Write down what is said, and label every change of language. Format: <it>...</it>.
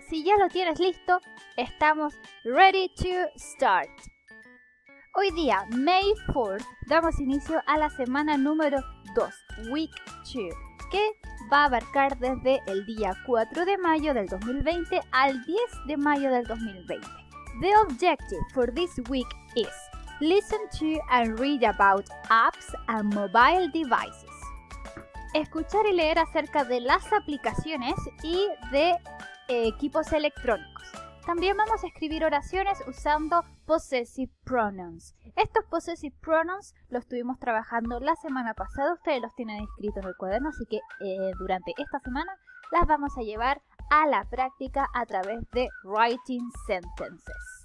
<es>Si ya lo tienes listo, estamos</es> <en>ready to start.</en> <es>Hoy día,</es> <en>May 4th,</en> <es>damos inicio a la semana número 2,</es> <en>Week 2,</en> <es>que va a abarcar desde el día 4 de mayo del 2020 al 10 de mayo del 2020.</es> <en>The objective for this week is listen to and read about apps and mobile devices.</en> <es>Escuchar y leer acerca de las aplicaciones y de equipos electrónicos. También vamos a escribir oraciones usando possessive pronouns. Estos possessive pronouns los estuvimos trabajando la semana pasada. Ustedes los tienen escritos en el cuaderno, así que durante esta semana las vamos a llevar a la práctica a través de</es> <en>writing sentences.</en>